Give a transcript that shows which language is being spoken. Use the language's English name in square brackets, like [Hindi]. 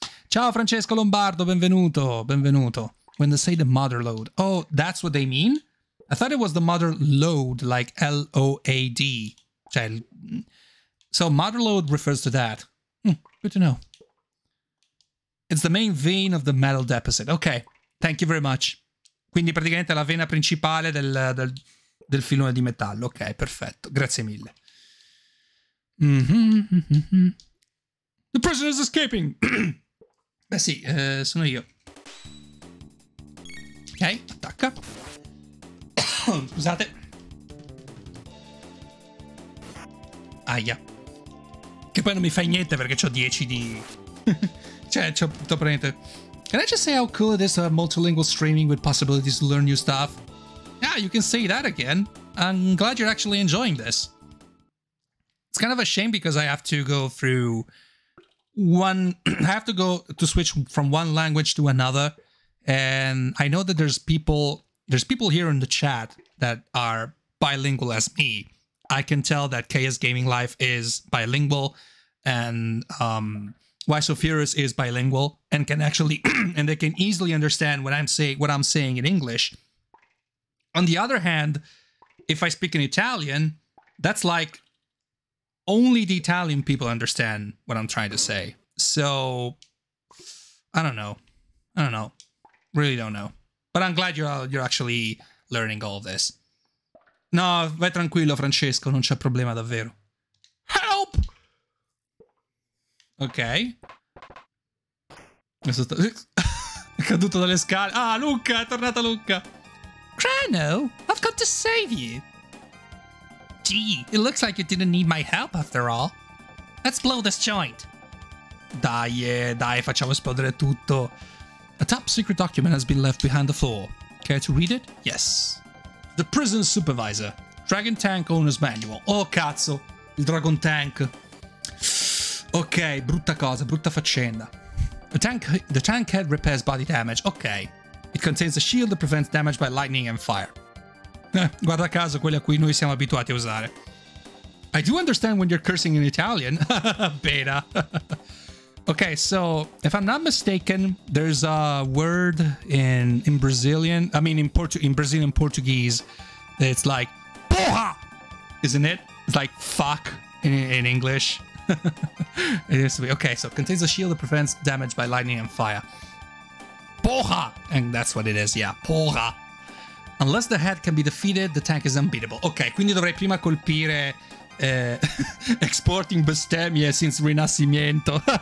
[Italian] Ciao Francesco Lombardo, benvenuto. [English] When they say the mother load. Oh, that's what they mean? I thought it was the mother load, like L-O-A-D. Cioè, so mother load refers to that. Good to know. It's the main vein of the metal deposit. Ok, thank you very much. [Italian] Quindi praticamente è la vena principale del filone di metallo. Ok, perfetto. Grazie mille. [English] The prisoner is escaping! [Italian] Beh sì, sono io. Ok, attacca. Scusate. Aia. Che poi non mi fai niente perché c'ho 10 di... Cioè, c'ho tutto praticamente... [English] Can I just say how cool it is to have multilingual streaming with possibilities to learn new stuff? Yeah, you can say that again. I'm glad you're actually enjoying this. It's kind of a shame because I have to go through one... I have to go to switch from one language to another. And I know that there's people here in the chat that are bilingual as me. I can tell that KS Gaming Life is bilingual and... Why So Furious is bilingual and can actually and they can easily understand what I'm saying in English. On the other hand, if I speak in Italian, that's like only the Italian people understand what I'm trying to say. So I don't know. Really don't know. But I'm glad you're actually learning all of this. [Italian] No, vai tranquillo, Francesco, non c'è problema davvero. [English] Help! Ok. [Italian] È caduto dalle scale. Ah, Luca, è tornata Luca. [English] Crano, I've come to save you. Gee, it looks like you didn't need my help after all. Let's blow this joint. [Italian] Dai, facciamo esplodere tutto. [English] A top secret document has been left behind the floor. Care to read it? Yes. The prison supervisor. Dragon Tank owner's manual. [Italian] Oh, cazzo. Il Dragon Tank. Ok, brutta cosa, brutta faccenda. [English] The tank head repairs body damage. Ok. It contains a shield that prevents damage by lightning and fire. [Italian] Guarda caso, quelli a cui noi siamo abituati a usare. [English] I do understand when you're cursing in Italian. Beta. Okay, so if I'm not mistaken, there's a word in Brazilian Portuguese that's like porra, isn't it? It's like fuck in English. It is. Okay, so it contains a shield that prevents damage by lightning and fire. Porra! And that's what it is, yeah. Porra. Unless the head can be defeated, the tank is unbeatable. [Italian] Okay, quindi dovrei prima colpire exporting bestemmie since Rinascimento.